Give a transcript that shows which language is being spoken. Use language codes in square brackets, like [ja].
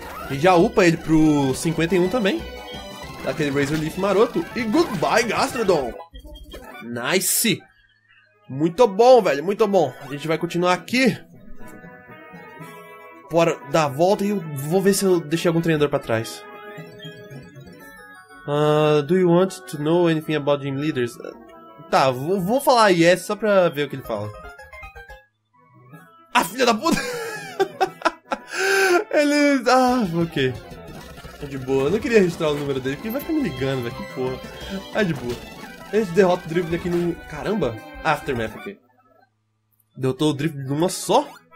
[pt] E já upa ele pro 51 também. Dá aquele Razor Leaf maroto. [en] E goodbye, Gastrodon. Nice. [pt] Muito bom, velho, muito bom. A gente vai continuar aqui. Bora dar a volta e eu vou ver se eu deixei algum treinador pra trás. [en] Do you want to know anything about gym leaders? [pt] Tá, vou falar yes só pra ver o que ele fala. Ah, filha da puta! Ele... Ah, ok. Tá de boa. Eu não queria registrar o número dele, porque ele vai ficar me ligando, velho. Que porra. Tá de boa. Ele derrota o drift aqui no... Caramba! Aftermath aqui. Derrotou o drift numa só?